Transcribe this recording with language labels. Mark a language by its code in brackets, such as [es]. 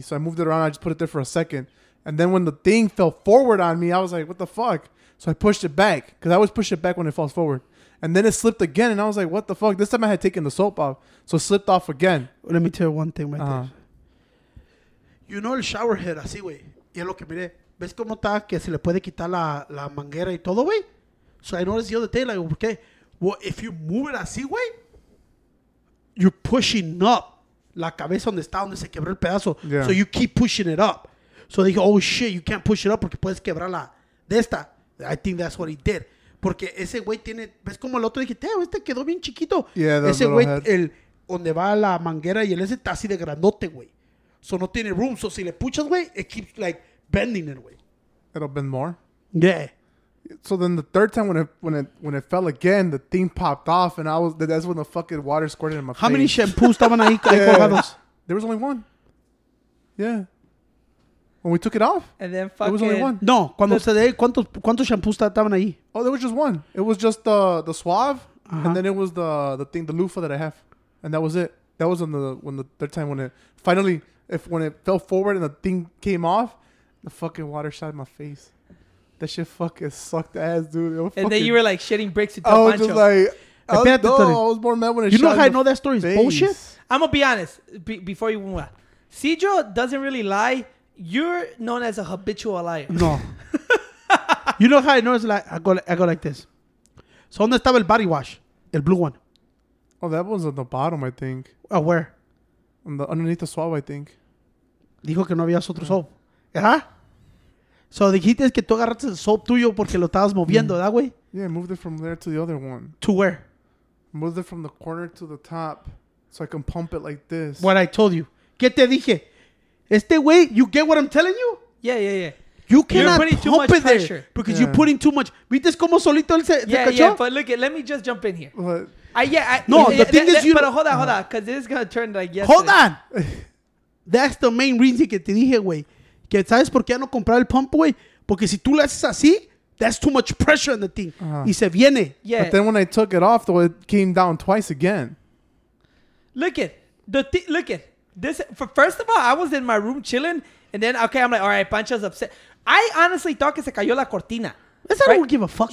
[en] So I moved it around. I just put it there for a second. And then when the thing fell forward on me, I was like, what the fuck? So I pushed it back because I always push it back when it falls forward. And then it slipped again. And I was like, what the fuck? This time I had taken the soap off. So it slipped off again. Well, let me tell you one thing right there. You know [es] el shower head, así, güey. Y es lo que miré. ¿Ves cómo está que se le puede quitar la manguera y todo, güey? [en] So I noticed the other day, like, okay, well, if you move it [es] así, güey, [en] you're pushing up [es] la cabeza donde está, donde se quebró el pedazo. [en] Yeah. So you keep pushing it up. So they go, oh, shit, you can't push it up [es] porque puedes quebrar la de esta. [en] I think that's what he did. [es] Porque ese güey tiene, ¿ves cómo el otro? Dije, teo, este quedó bien chiquito. [en] Yeah, [es] ese güey, el donde va la manguera y el ese está así de grandote, güey. [en] So [es] no tiene [en] room. So [es] si le puchas, güey, [en] it keeps, like, bending it away. It'll bend more? Yeah. So then the third time when it fell again, the thing popped off and that's when the fucking water squirted in my face. How many [es] shampoos estaban ahí colgados? [en] There was only one. Yeah. When we took it off? And then fucking... It was only one. No. [es] Cuando se de ahí, ¿cuántos shampoos estaban ahí? [en] Oh, there was just one. It was just the Suave and then it was the thing, the loofah that I have. And that was it. That was when the third time when it fell forward and the thing came off, the fucking water shot in my face. That shit fucking sucked ass, dude. And then you were like shitting bricks into a bunch of. I was more mad when it shot. You know how I know that story is bullshit? I'm going to be honest. Before you move on. Cidro doesn't really lie. You're known as a habitual liar. No. You know how I know it's like, I go like this. So, [es] ¿dónde estaba el [en] body wash? El blue one. Oh, that one's on the bottom, I think. Oh, where? On the, underneath the swab, I think. [es] Dijo que no había otro soap. Ajá. So, dijiste que tú agarraste el soap tuyo porque lo estabas moviendo, ¿verdad, güey? [en] Yeah, I moved it from there to the other one. To where? Moved it from the corner to the top so I can pump it like this. What I told you. [es] ¿Qué te dije? Este güey, [en] you get what I'm telling you? Yeah, yeah, yeah. You cannot pump too much it pressure. There because you're putting too much. [es] ¿Viste cómo solito él se cachó? [en] Yeah, yeah, but look, let me just jump in here. What? No, the thing is, but hold on, because this is going to turn like yes. Hold on. That's the main reason [es] que te dije, güey. Que sabes por qué no comprar el pump, güey? Porque si tú lo haces así, [en] that's too much pressure on the thing. [es] Uh-huh. Y se viene. [en] Yeah. But then when I took it off, though, it came down twice again. Look at this. First of all, I was in my room chilling, and then, okay, I'm like, all right, Pancho's upset. I honestly thought [es] que se cayó la cortina. [en] That's not right? Who give a fuck.